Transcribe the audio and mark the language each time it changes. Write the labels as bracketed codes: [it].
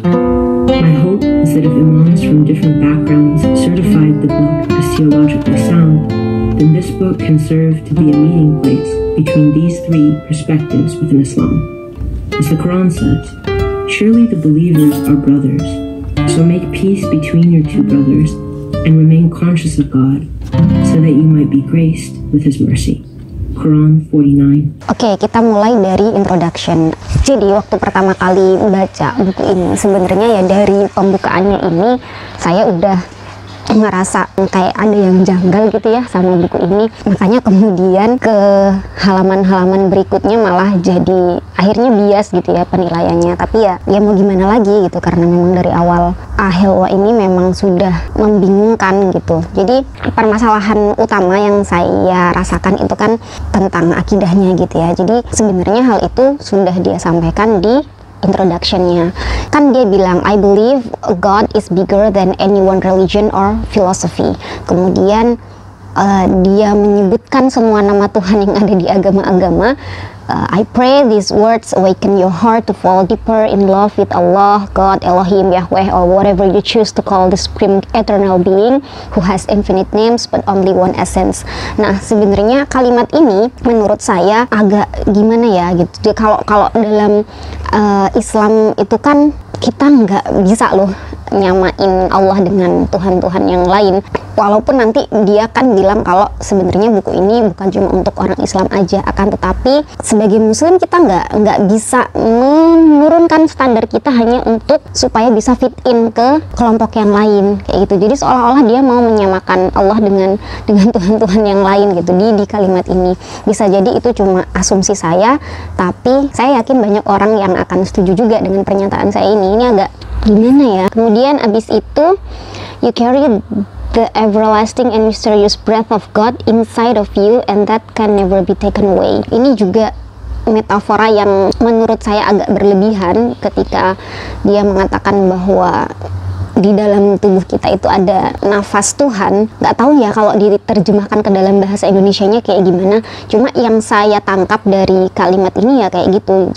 [en] My hope is that if imams from different backgrounds certified the book as theologically sound, then this book can serve to be a meeting place between these three perspectives within Islam. As the Quran says, surely the believers are brothers, so make peace between your two brothers and remain conscious of God so that you might be graced with His mercy. Quran 49. [id] Okay, kita mulai dari introduction. Jadi waktu pertama kali baca buku ini, sebenarnya ya dari pembukaannya ini saya udah ngerasa kayak ada yang janggal gitu ya sama buku ini. Makanya kemudian ke halaman-halaman berikutnya malah jadi akhirnya bias gitu ya penilaiannya. Tapi ya mau gimana lagi gitu, karena memang dari awal Ahelwa ini memang sudah membingungkan gitu. Jadi permasalahan utama yang saya rasakan itu kan tentang akidahnya gitu ya. Jadi sebenarnya hal itu sudah dia sampaikan di introduction-nya. Kan dia bilang, [en] I believe God is bigger than any one religion or philosophy. [id] Kemudian dia menyebutkan semua nama Tuhan yang ada di agama-agama. [en] I pray these words awaken your heart to fall deeper in love with Allah, God, Elohim, Yahweh, or whatever you choose to call the supreme eternal being who has infinite names but only one essence. [id] Nah, sebenarnya kalimat ini menurut saya agak gimana ya gitu. Jadi kalau dalam Islam itu kan kita nggak bisa loh nyamain Allah dengan Tuhan-Tuhan yang lain. Walaupun nanti dia kan bilang kalau sebenarnya buku ini bukan cuma untuk orang Islam aja, akan tetapi sebagai Muslim kita nggak bisa menurunkan standar kita hanya untuk supaya bisa fit in ke kelompok yang lain kayak gitu. Jadi seolah-olah dia mau menyamakan Allah dengan Tuhan-Tuhan yang lain gitu di kalimat ini. Bisa jadi itu cuma asumsi saya, tapi saya yakin banyak orang yang akan setuju juga dengan pernyataan saya ini. Ini agak gimana ya. Kemudian abis itu, [en] you carry the everlasting and mysterious breath of God inside of you and that can never be taken away. [id] Ini juga metafora yang menurut saya agak berlebihan ketika dia mengatakan bahwa di dalam tubuh kita itu ada nafas Tuhan. Gak tahu ya kalau diterjemahkan ke dalam bahasa Indonesianya kayak gimana. Cuma yang saya tangkap dari kalimat ini ya kayak gitu.